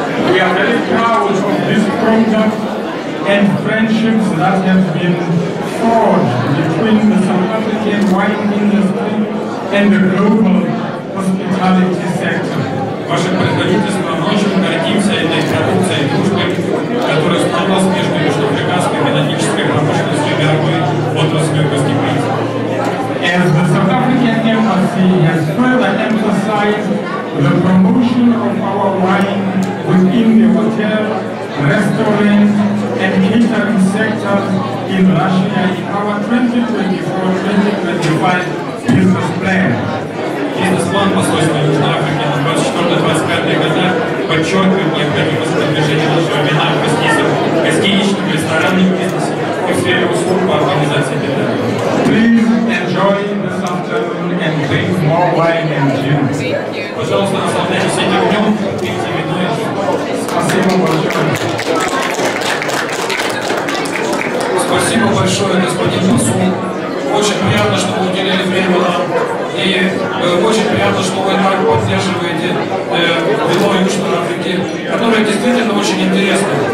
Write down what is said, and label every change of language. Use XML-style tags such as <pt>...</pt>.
<en>We are very proud of this product and friendships that have been forged between the South African wine industry and the global hospitality sector.</en> <ru>Ваше производительство, мы очень гордимся этой продукцией и дружбой, которая установилась между южноафриканской винодельческой промышленностью и мировой отраслью гостеприимства.</ru> <en>As the South African Embassy has further emphasized the promotion of our wine within the hotel, restaurant, and interim sector in Russia in our 2024-2025 business plan.</en> <ru>Бизнес-план посольства Южной Африки на 24-25 года подчеркивает необходимость продвижения нашего вина в гостиничном, ресторанном бизнесе и в сфере услуг по организации вина.</ru> <en>Please enjoy this afternoon and drink more wine and gin.</en> <ru>Пожалуйста, наслаждайтесь этим днем и пейте вино. Спасибо большое. Спасибо большое, господин посол. Очень приятно, что вы уделили время нам. И очень приятно, что вы так поддерживаете вино Южной Африки, которое действительно очень интересно.</ru>